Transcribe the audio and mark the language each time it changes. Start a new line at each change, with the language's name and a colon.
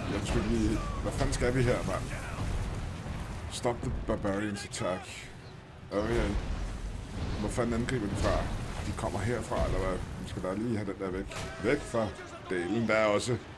Danish: Jeg tror lige, hvad fanden skal vi her, mand?
English: Stop the barbarians attack. Okay.
Danish: Hvor fanden angriber de fra? De kommer herfra, eller hvad? Vi skal bare lige have den der væk. Væk fra delen der også.